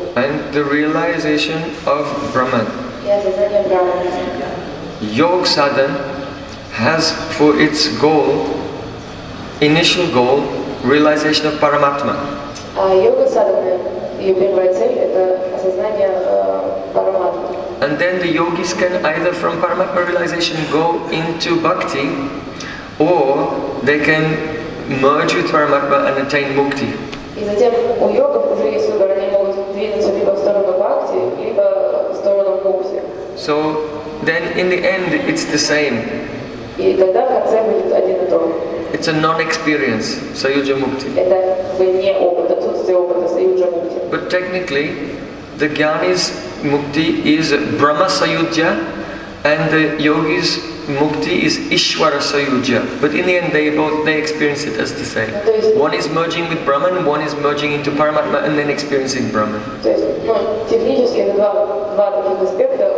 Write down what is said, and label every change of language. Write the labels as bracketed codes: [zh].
[en] And the realization of Brahman. [ru] И осознание Брахмана. [en] Йог Садан has for its goal, initial goal, realization of Paramatma. [ru] Йога Садана, ее первая цель, это осознание Параматмы. [en] And then the yogis can either from Paramatma realization go into bhakti, or they can merge with Paramatma and attain mukti. [ru] И затем у йогов уже есть выбор, они могут двигаться либо в сторону бхакти, либо в сторону мукти. [en] So then in the end it's the same. [ru] И тогда в конце будет один и тот же. [en] It's a non-experience, Sayujya Mukti. [ru] Это вне опыта, отсутствие опыта, Sayujya Mukti. [en] But technically, the Jnani's Mukti is Brahma Sayujya, and the Yogi's Mukti is Ishwara Sayujya. But in the end, they experience it as the same. One is merging with Brahman, one is merging into Paramatma, and then experiencing Brahman. [ru] То есть, технически, это два таких аспекта.